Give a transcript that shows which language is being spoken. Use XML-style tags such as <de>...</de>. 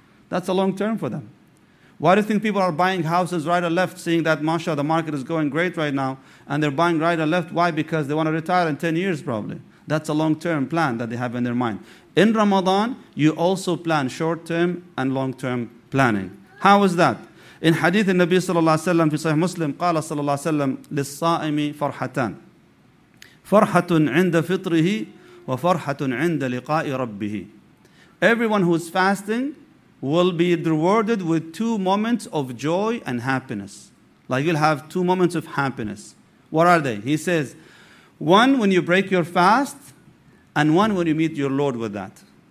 <en>That's a long-term for them. Why do you think people are buying houses right or left, seeing that, mashallah, the market is going great right now, and they're buying right or left? Why? Because they want to retire in 10 years probably. That's a long-term plan that they have in their mind. In Ramadan, you also plan short-term and long-term planning. How is that? In hadith</en> <ar>النبي صلى الله عليه وسلم في صحيح مسلم قال صلى الله عليه وسلم للصائم فرحتان فرحة عند فطره وفرحة عند لقاء ربه.</ar> <en>Everyone who is fasting will be rewarded with two moments of joy and happiness. Like you'll have two moments of happiness. What are they? He says, one when you break your fast and one when you meet your Lord with that.</en>